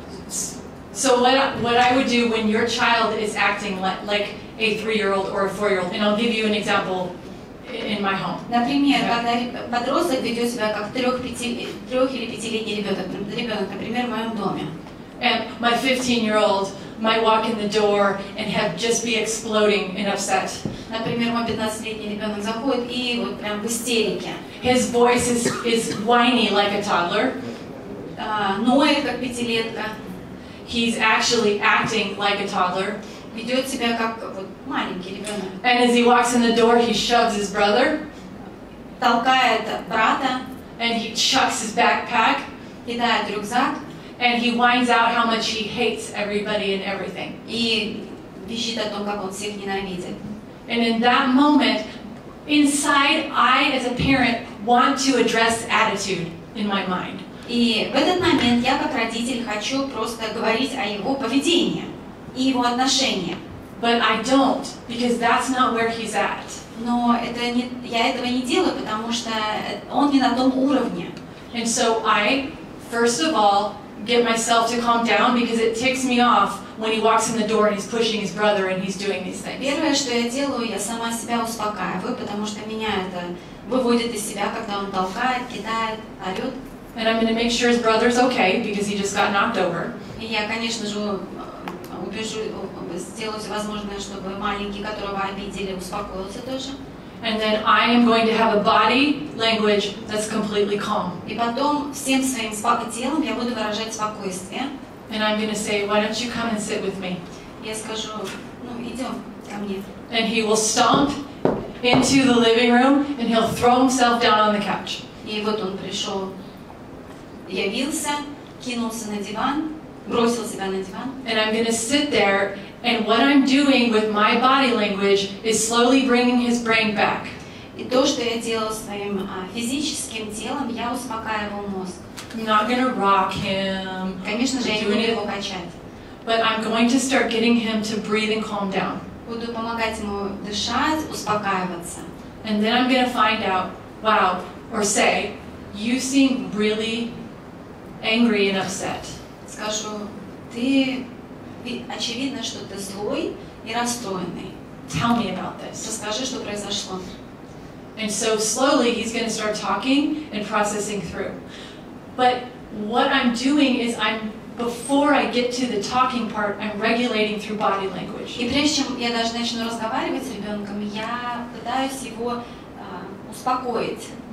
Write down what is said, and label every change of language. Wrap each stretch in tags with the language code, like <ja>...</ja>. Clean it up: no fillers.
<en>So what I would do when your child is acting like a 3-year-old or a 4-year-old, and I'll give you an example in my home.</en> <ru>Например, когда подросток ведет себя как трех или пятилетний ребенок, например, в моем доме.</ru> <en>And my 15-year-old might walk in the door and have just be exploding and upset.</en> <ru>Например, мой 15-летний ребенок заходит и вот прям в истерике.</ru> <en>His voice is whiny like a toddler.</en> <ru>Ноет как пятилетка.</ru> <en>He's actually acting like a toddler.</en> <ru>Ведет себя как вот маленький ребенок.</ru> <en>And as he walks in the door, he shoves his brother.</en> <ru>Толкает брата.</ru> <en>And he chucks his backpack.</en> <ru>Кидает рюкзак.</ru> <en>And he whines out how much he hates everybody and everything.</en> <ru>И бежит о том, как он всех ненавидит.</ru> <en>And in that moment, inside, I as a parent want to address attitude in my mind.</en> <ru>И в этот момент я как родитель хочу просто говорить о его поведении и его отношении.</ru> <en>But I don't, because that's not where he's at.</en> <ru>Но это не, я этого не делаю, потому что он не на том уровне.</ru> <en>And so I, first of all, get myself to calm down because it ticks me off when he walks in the door and he's pushing his brother and he's doing these things.</en> <ru>Первое, что я делаю, я сама себя успокаиваю, потому что меня это выводит из себя, когда он толкает, кидает, орет.</ru> <en>And I'm going to make sure his brother's okay because he just got knocked over.</en> <ru>И я, конечно же, сделаю все возможное, чтобы маленький, которого обидели, успокоился тоже.</ru> <en>And then I am going to have a body language that's completely calm.</en> <ru>И потом всем своим телом я буду выражать спокойствие.</ru> <en>And I'm going to say, why don't you come and sit with me?</en> <ru>Я скажу, идем ко мне.</ru> <en>And he will stomp into the living room and he'll throw himself down on the couch.</en> <ru>И вот он пришел, явился, кинулся на диван. бросил себя на диван.</ru> <en>And I'm gonna sit there, and what I'm doing with my body language is slowly bringing his brain back.</en> <ru>И то, что я делаю своим физическим телом, я успокаивал мозг.</ru> <en>Not gonna rock him.</en> <ru>Конечно же, я не буду его качать.</ru> <en>But I'm going to start getting him to breathe and calm down.</en> <ru>Буду помогать ему дышать, успокаиваться.</ru> <en>And then I'm gonna find out, wow, or say, you seem really angry and upset.</en> <ru>Скажу, ты очевидно, что ты злой и расстроенный.</ru> <en>Tell me about this.</en> <ru>Расскажи, что произошло.</ru> <en>And so slowly he's gonna start talking and processing through. But what I'm doing is before I get to the talking part, I'm regulating through body language.</en> <ru>И прежде чем я даже начну разговаривать с ребенком, я пытаюсь его успокоить.</ru>